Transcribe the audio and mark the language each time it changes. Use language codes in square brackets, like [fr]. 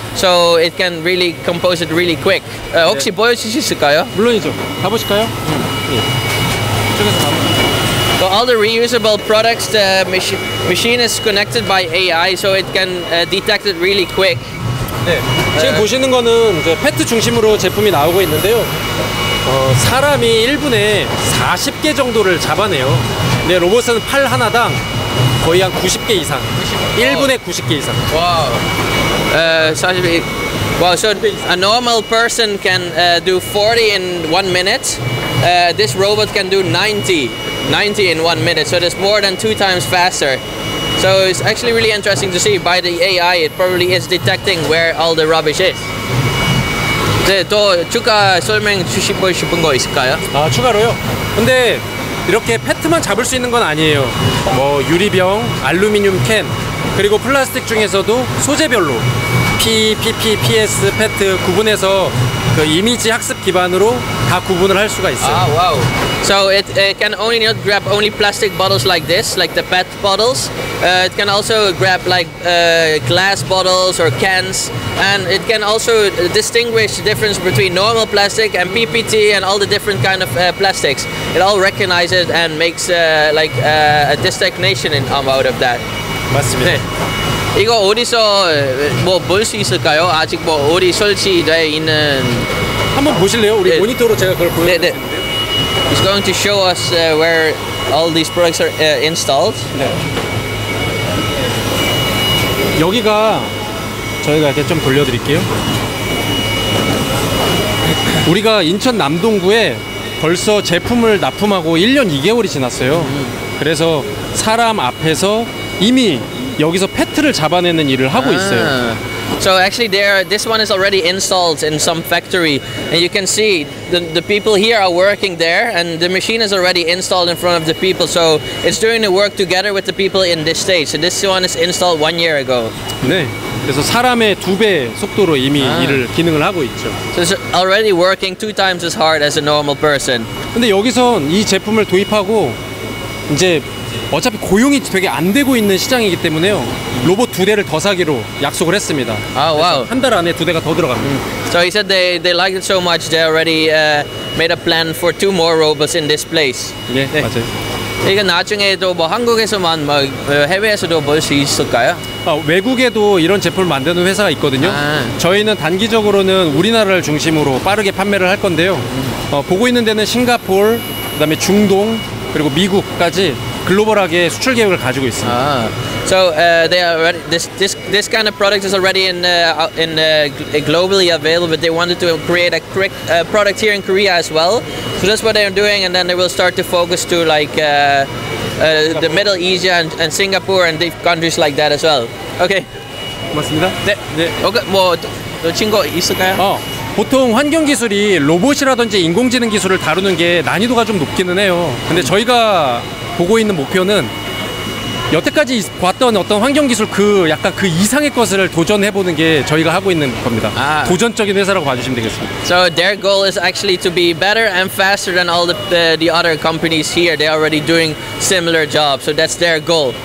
[en] So it can really compose it really quick. [ko] 혹시 네. 보여주실까요? 물론이죠. 가보실까요? 네. [en] All the reusable products, the machine is connected by AI, so it can detect it really quick. [ko] 네. 지금 보시는 거는 이제 페트 중심으로 제품이 나오고 있는데요. 사람이 1분에 40개 정도를 잡아내요. 네, 로봇은 팔 하나당 거의 한 90개 이상. 1분에 90개 이상. 와우. 40개. [en] So a normal person can do 40 in 1 minute. This robot can do 90 in 1 minute. So it's more than 2 times faster. So it's actually really interesting to see by the AI it probably is detecting where all the rubbish is. [ko] 네, 또 추가 설명 주시고 싶은 거 있을까요? 아, 추가로요? 근데 이렇게 페트만 잡을 수 있는 건 아니에요. 뭐 유리병, 알루미늄 캔, 그리고 플라스틱 중에서도 소재별로 P, PP, PS, PET 구분해서 그 이미지 학습 기반으로 다 구분을 할 수가 있어요. 아, 와우. [en] So it can only not grab only plastic bottles like this, like the PET bottles. It can also grab like glass bottles or cans, and it can also distinguish the difference between normal plastic and PPT and all the different kind of plastics. It all recognizes and makes like a designation out of that. [ko] 맞습니다. 네. 이거 어디서 뭐 볼 수 있을까요? 아직 뭐 어디 설치되어 있는 한번 보실래요? 우리 네. 모니터로 제가 그걸 보여 드릴게요. 네, 네. [en] He's going to show us where all these products are installed. [ko] 네. 여기가 저희가 이렇게 좀 돌려 드릴게요. 우리가 인천 남동구에 벌써 제품을 납품하고 1년 2개월이 지났어요. 그래서 사람 앞에서 이미 여기서 페트를 잡아내는 일을 하고 있어요. [en] So actually this one is already installed in some factory and you can see the people here are working there and the machine is already installed in front of the people. So it's doing the work together with the people in this stage. So this one is installed 1 year ago. [ko] 네. 그래서 사람의 두 배 속도로 이미 일을 기능을 하고 있죠. [en] So it's already working 2 times as hard as a normal person. [ko] 근데 여기서 이 제품을 도입하고 이제 어차피 고용이 되게 안 되고 있는 시장이기 때문에요. 로봇 두 대를 더 사기로 약속을 했습니다. 아, 와우. 한 달 안에 두 대가 더 들어갑니다. [en] So he said they liked it so much they already made a plan for 2 more robots in this place. [ko] 네, 네. 맞아요. 이게 나중에도 뭐 한국에서만 뭐 해외에서도 볼 수 있을까요? 외국에도 이런 제품을 만드는 회사가 있거든요. 아. 저희는 단기적으로는 우리나라를 중심으로 빠르게 판매를 할 건데요. 보고 있는 데는 싱가포르, 그다음에 중동, 그리고 미국까지 글로벌하게 수출 계획을 가지고 있습니다. [en] So they are already, this kind of product is already in globally available, but they wanted to create a quick product here in Korea as well. So that's what they are doing, and then they will start to focus to like the Middle East and Singapore and deep countries like that as well. Okay. [ko] 맞습니다. 네. 네. Okay. 뭐 친구 있을까요? 보통 환경 기술이 로봇이라든지 인공지능 기술을 다루는 게 난이도가 좀 높기는 해요. 근데 저희가 보고 있는 목표는 여태까지 봤던 어떤 환경 기술 그 약간 그 이상의 것을 도전해 보는 게 저희가 하고 있는 겁니다. 아. 도전적인 회사라고 봐주시면 되겠습니다. [en] So their goal is actually to be better and faster than all the other companies here. They are already doing similar jobs. So that's their goal.